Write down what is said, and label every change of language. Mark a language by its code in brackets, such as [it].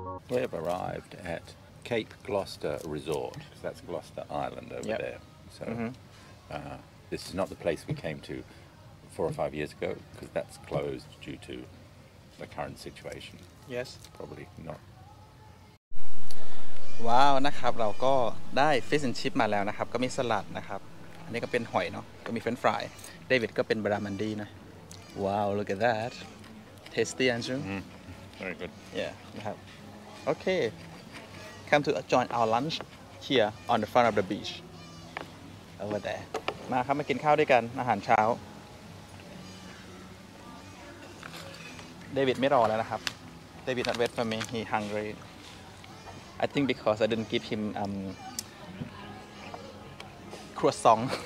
[en] We have arrived at Cape Gloucester Resort, because that's Gloucester Island over yep. there. So this is not the place we came to 4 or 5 years ago, because that's closed due to the current situation. Yes. Probably not. [th] Wow, นะครับเราก็ได้ fish and chip มาแล้วนะครับก็มีสลัดนะครับอันนี้ก็เป็นหอยเนาะก็มีเฟรนฟรายเดวิดก็เป็นบรามันดีนะ [en] Wow, look at that. Tasty, Andrew. Mm-hmm. Very good. Yeah, นะครับOkay, come to join our lunch here on the front of the beach over there. [th] มาครับมากินข้าวด้วยกันอาหารเช้าเดวิดไม่รอแล้วนะครับเดวิด [en] not wait for me he hungry I think because I didn't give him croissant